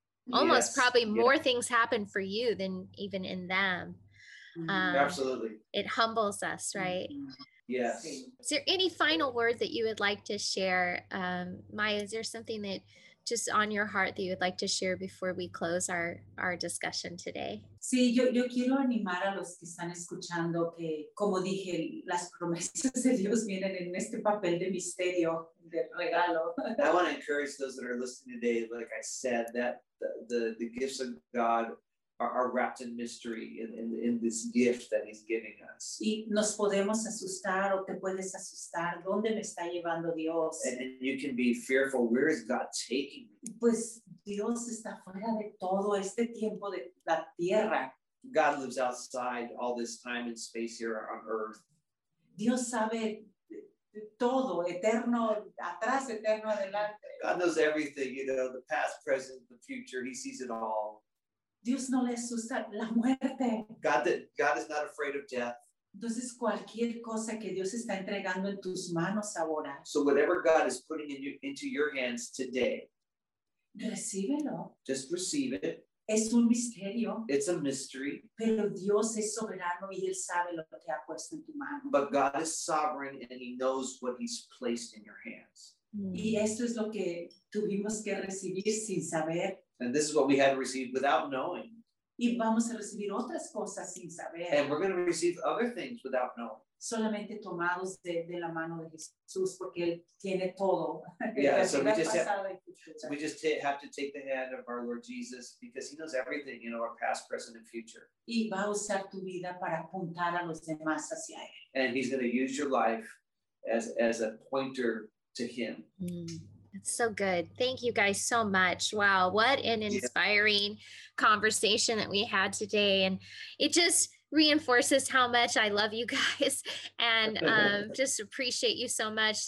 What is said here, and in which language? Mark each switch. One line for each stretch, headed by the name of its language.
English: Almost probably more things happen for you than even in them. Absolutely. It humbles us, right? Mm-hmm. Yes. Is there any final word that you would like to share? Maya, is there something that just on your heart that you would like to share before we close our discussion today?
Spanish: Sí, yo quiero animar a los que están escuchando que, como dije, las promesas de Dios vienen en este papel de misterio, de regalo.
English: I want to encourage those that are listening today, like I said, that the gifts of God are wrapped in mystery in this gift that he's giving us.
Spanish: Y nos podemos asustar, o te puedes asustar. ¿Dónde me está llevando Dios?
English: And you can be fearful. Where is God taking me?
Spanish: Pues Dios está fuera de todo este tiempo de la tierra.
English: God lives outside all this time and space here on earth.
Spanish: Dios sabe todo, eterno atrás, eterno adelante.
English: God knows everything, you know, the past, present, the future. He sees it all.
Spanish: Dios no le asusta la muerte.
English: God is not afraid of death.
Spanish: Entonces, cualquier cosa que Dios está entregando en tus manos ahora.
English: So whatever God is putting into your hands today.
Spanish: Recíbelo.
English: Just receive it.
Spanish: Es un misterio.
English: It's a mystery.
Spanish: Pero Dios es soberano y Él sabe lo que ha puesto en tu mano.
English: But God is sovereign and he knows what he's placed in your hands.
Spanish: Y esto es lo que tuvimos que recibir sin saber.
English: And this is what we had received without knowing.
Spanish: Y vamos a recibir otras cosas sin saber.
English: And we're going to receive other things without knowing.
Spanish: Solamente tomados de la mano de Jesús, porque él tiene todo.
English: Yeah, so we just have to take the hand of our Lord Jesus, because he knows everything, you know, our past, present, and future.
Spanish: Y va a usar tu vida para apuntar a los demás hacia él.
English: And he's going to use your life as a pointer to him. Mm. That's so good. Thank you guys so much. Wow, what an inspiring conversation that we had today. And it just reinforces how much I love you guys and just appreciate you so much.